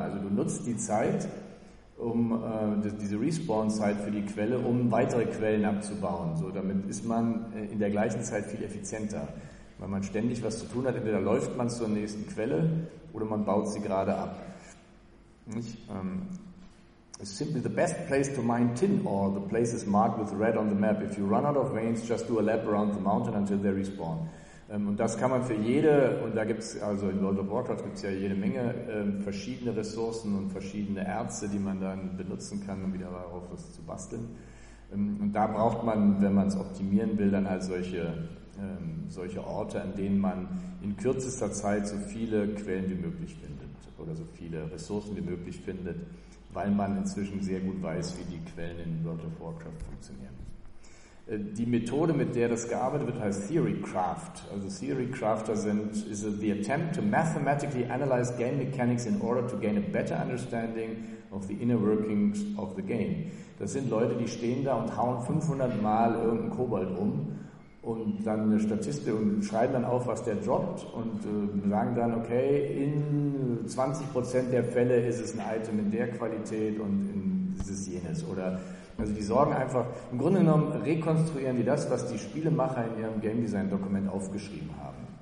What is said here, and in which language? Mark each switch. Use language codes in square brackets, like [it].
[de] Also du nutzt die Zeit, um diese Respawn-Zeit für die Quelle, um weitere Quellen abzubauen. So, damit ist man in der gleichen Zeit viel effizienter, weil man ständig was zu tun hat. Entweder läuft man zur nächsten Quelle oder man baut sie gerade ab. [en] Nicht? Simply the best place to mine tin ore. The place is marked with red on the map. If you run out of veins, just do a lap around the mountain until they respawn. [de] Und das kann man für jede, und da gibt's also in World of Warcraft gibt's ja jede Menge verschiedene Ressourcen und verschiedene Erze, die man dann benutzen kann, um wieder darauf was zu basteln. Und da braucht man, wenn man es optimieren will, dann halt solche Orte, an denen man in kürzester Zeit so viele Quellen wie möglich findet oder so viele Ressourcen wie möglich findet, weil man inzwischen sehr gut weiß, wie die Quellen in World of Warcraft funktionieren. Die Methode, mit der das gearbeitet wird, heißt Theorycraft. [en] Also Theorycrafter is the attempt to mathematically analyze game mechanics in order to gain a better understanding of the inner workings of the game. [de] Das sind Leute, die stehen da und hauen 500 Mal irgendeinen Kobold um und dann eine Statistik und schreiben dann auf, was der droppt und sagen dann, okay, in 20% der Fälle ist es ein Item in der Qualität und ist es jenes. Oder also die sorgen einfach, im Grunde genommen rekonstruieren die das, was die Spielemacher in ihrem Game Design Dokument aufgeschrieben haben.